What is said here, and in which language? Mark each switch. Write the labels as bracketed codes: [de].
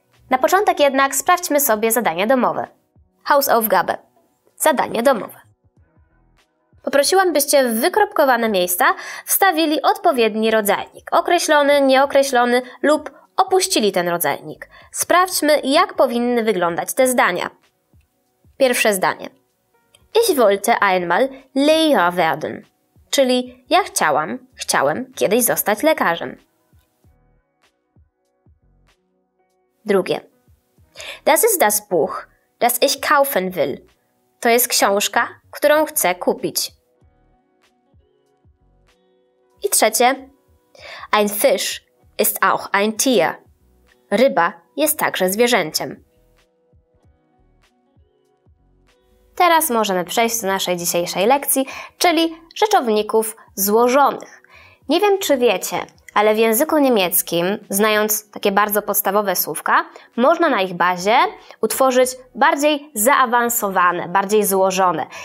[pl] Na początek jednak sprawdźmy sobie zadanie domowe. [de] Hausaufgabe. [pl] Zadanie domowe. Poprosiłam, byście w wykropkowane miejsca wstawili odpowiedni rodzajnik. Określony, nieokreślony lub opuścili ten rodzajnik. Sprawdźmy, jak powinny wyglądać te zdania. Pierwsze zdanie. [de] Ich wollte einmal Lehrer werden. [pl] Czyli ja chciałem kiedyś zostać lekarzem. Drugie. [de] Das ist das Buch, das ich kaufen will. [pl] To jest książka, którą chcę kupić. I trzecie. [de] Ein Fisch ist auch ein Tier. [pl] Ryba jest także zwierzęciem. Teraz możemy przejść do naszej dzisiejszej lekcji, czyli rzeczowników złożonych. Nie wiem, czy wiecie, ale w języku niemieckim, znając takie bardzo podstawowe słówka, można na ich bazie utworzyć bardziej zaawansowane, bardziej złożone.